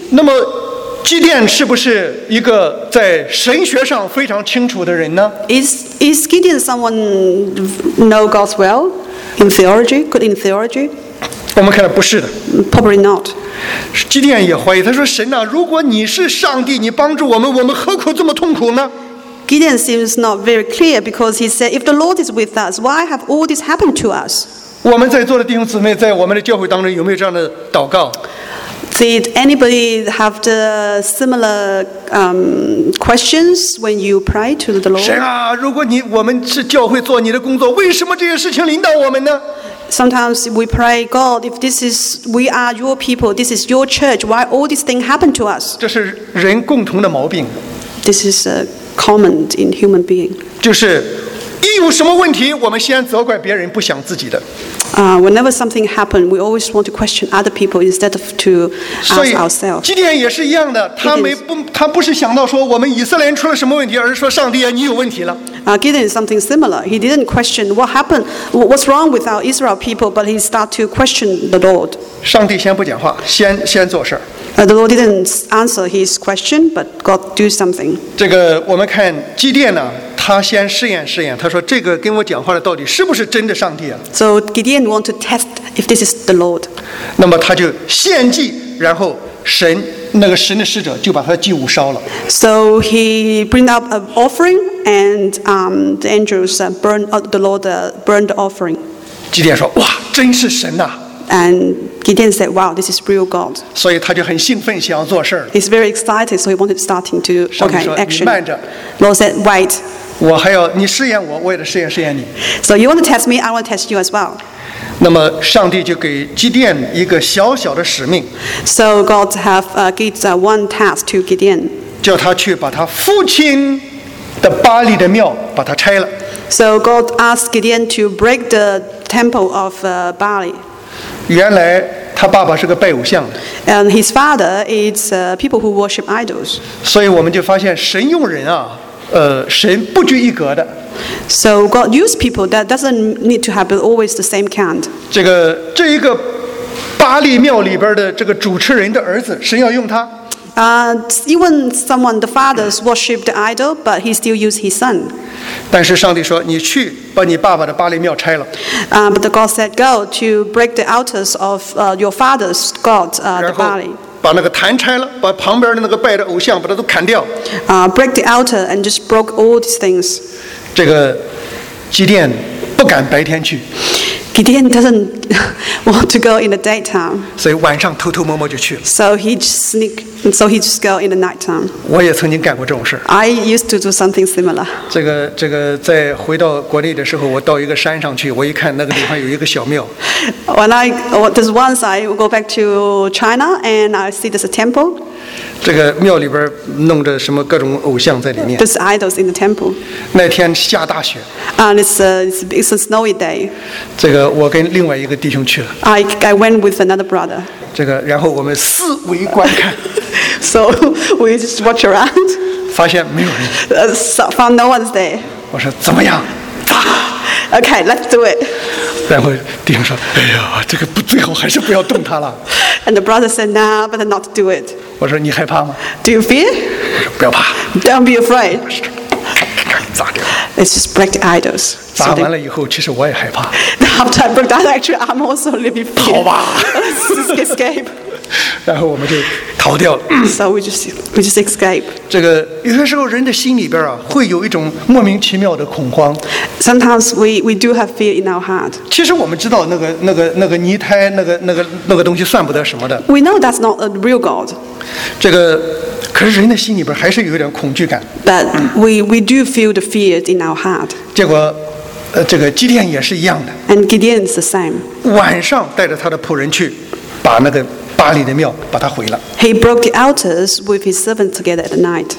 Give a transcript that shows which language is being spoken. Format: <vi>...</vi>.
<zh>那么基甸是不是一个在神学上非常清楚的人呢</zh> <en>？Is Gideon someone know God's will in theology? Good in theology?</en> <zh>我们看来不是的。</zh> <en>Probably not.</en> <zh>基甸也怀疑，他说：“神啊，如果你是上帝，你帮助我们，我们何苦这么痛苦呢</zh> <en>？”Gideon seems not very clear because he said, "If the Lord is with us, why have all this happened to us?"</en> <zh>我们在座的弟兄姊妹，在我们的教会当中，有没有这样的祷告？</zh> <en>Did anybody have the similar questions when you pray to the Lord?</en> <zh>神啊，如果你我们是教会做你的工作，为什么这些事情临到我们呢</zh> <en>？Sometimes we pray, God, if this is we are your people, this is your church, why all these things happen to us?</en> <zh>这是人共同的毛病。</zh> <en>This is a common in human being.</en> <zh>就是一有什么问题，我们先责怪别人，不想自己的。</zh> <en>Whenever something happens, we always want to question other people instead of to ask ourselves.</en> <zh>基甸也是一样的，他不是想到说我们以色列人出了什么问题，而是说上帝啊，你有问题了。</zh> <en>Gideon is something similar. He didn't question what happened, what's wrong with our Israel people, but he start to question the Lord.</en> <zh>上帝先不讲话，先做事。</zh> <en>The Lord didn't answer his question, but God do something.</en> <zh>这个我们看基甸呢。他先试验试验，他说：“这个跟我讲话的到底是不是真的上帝啊</zh> <en>？”So Gideon want to test if this is the Lord.</en> <zh>那么他就献祭，然后神那个神的使者就把他的祭物烧了。</zh> <en>So he bring up an offering, and the angels burned the offering.</en> <zh>基甸说：“哇，真是神呐！”</zh> <en>And Gideon said, "Wow, this is real God."</en> <zh>所以他就很兴奋，想要做事。</zh> <en>He's very excited, so he wanted starting to okay action.</en> <zh>上帝说：“你慢着。”</zh> <en>Lord said, "Wait."</en> <zh>我还要你试验我，我也得试验试验你。</zh> <en>So you want to test me, I want to test you as well.</en> <zh>那么上帝就给基甸一个小小的使命。</zh> <en>So God have gives one task to Gideon.</en> <zh>叫他去把他父亲的巴利的庙把它拆了。</zh> <en>So God asked Gideon to break the temple of Baal.</en> <zh>原来他爸爸是个拜偶像。</zh> <en>And his father is people who worship idols.</en> <zh>所以我们就发现神用人啊，神不拘一格的。</zh> <en>So God used people that doesn't need to have always the same kind.</en> <zh>这一个巴利庙里边的这个主持人的儿子，神要用他。</zh> <en>Even someone, the fathers worshipped the idol, but he still used his son.</en> <zh>但是上帝说，你去把你爸爸的巴利庙拆了。</zh> <en>But the God said, go to break the altars of your father's God, the Baal.</en> <zh>把那个坛拆了，把旁边的那个拜的偶像把它都砍掉。</zh> <en>Break the altar and just broke all these things.</en> <zh>这个基甸不敢白天去。</zh> <en>Gideon doesn't want to go in the daytime.</en> <zh>所以晚上偷偷摸摸就去了。</zh> <en>So he just go in the nighttime.</en> <zh>我也曾经干过这种事。</zh> <en>I used to do something similar.</en> <zh>这个在回到国内的时候，我到一个山上去，我一看那个地方有一个小庙。</zh> <en>There's once I go back to China and I see there's a temple.</en> <zh>这个庙里边弄着什么各种偶像在里面。</zh> <en>There's idols in the temple.</en> <zh>那天下大雪。</zh> <en>And it's a snowy day.</en> <zh>这个我跟另外一个弟兄去了。</zh> <en>I went with another brother.</en> <zh>这个然后我们四围观看。</zh> <en>So we just watch around.</en> <zh>发现没有人。</zh> <en>Found no one's there.</en> <zh>我说怎么样？砸。</zh> <en>Okay, let's do it.</en> <zh>然后弟兄说：“哎呀，这个不，最好还是不要动它了。”</zh> <en>And the brother said, "Nah, better not do it."</en> <zh>我说你害怕吗</zh> <en>？Do you fear?</en> <zh>我说不要怕。</zh> <en>Don't be afraid.</en> <zh>砸掉。</zh> <en>Let's just break the idols.</en> <zh>砸完了以后，其实我也害怕。</zh> <en>After I broke that, actually, I'm also a little bit fear.</en> <zh>跑吧。</zh> <en>Let's escape.</en> <zh>然后我们就逃掉了。</zh> <en>So we just escape.</en> <zh>这个有些时候人的心里边啊，会有一种莫名其妙的恐慌。</zh> <en>Sometimes we do have fear in our heart.</en> <zh>其实我们知道那个泥胎那个东西算不得什么的。</zh> <en>We know that's not a real god.</en> <zh>这个可是人的心里边还是有点恐惧感。</zh> <en>But we do feel the fear in our heart.</en> <zh>结果。这个基甸也是一样的。</zh> <en>And Gideon is the same.</en> <zh>晚上带着他的仆人去，把那个巴利的庙把它毁了。</zh> <en>He broke the altars with his servants together at night.</en>